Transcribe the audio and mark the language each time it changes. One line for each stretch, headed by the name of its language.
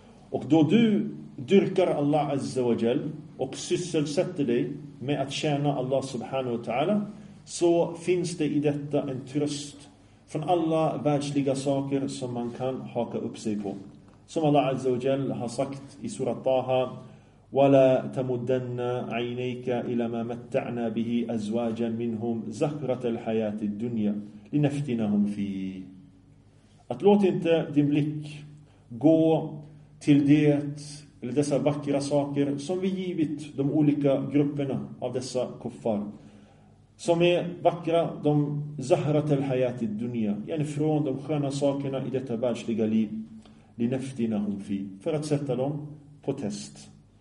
Swedish: Och då du dyrkar Allah Azza wa Jal och sysselsätter dig med att tjäna Allah subhanahu wa ta'ala, så finns det i detta en tröst från alla världsliga saker som man kan haka upp sig på.
Arabic: Som Allah Azza wa Jal har sagt i surat Taha: وَلَا تَمُدَّنَّ عَيْنَيْكَ إِلَى مَا مَتَّعْنَا بِهِ أَزْوَاجًا مِنْهُمْ زَهْرَةَ الْحَيَاةِ الدُّنْيَا لِنَفْتِنَهُمْ فِيهِ.
Swedish: Att låt inte din blick gå till det eller dessa vackra saker som vi givit de olika grupperna av dessa kuffar, som är vackra, de zahrat al-hayat al-dunya, yani från de sköna sakerna i detta världsliga liv, linaftinahum fi, för att sätta dem på test.